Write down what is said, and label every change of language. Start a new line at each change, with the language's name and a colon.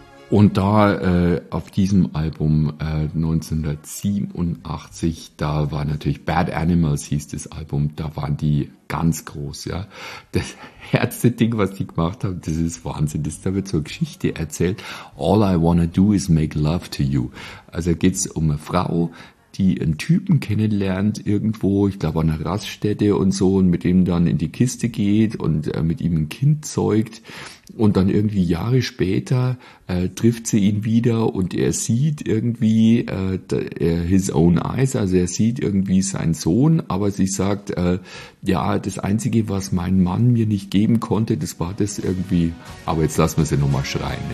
German: Und da auf diesem Album 1987, da war natürlich Bad Animals hieß das Album, da waren die ganz groß, ja. Das erste Ding, was die gemacht haben, das ist Wahnsinn, da wird so eine Geschichte erzählt.
English: All I wanna do is make love to you.
German: Also geht's um eine Frau, die einen Typen kennenlernt irgendwo, ich glaube an einer Raststätte und so, und mit dem dann in die Kiste geht und mit ihm ein Kind zeugt. Und dann irgendwie Jahre später trifft sie ihn wieder und er sieht irgendwie
English: his own eyes,
German: also er sieht irgendwie seinen Sohn, aber sie sagt, ja, das Einzige, was mein Mann mir nicht geben konnte, das war das irgendwie, aber jetzt lassen wir sie nochmal schreien, ne?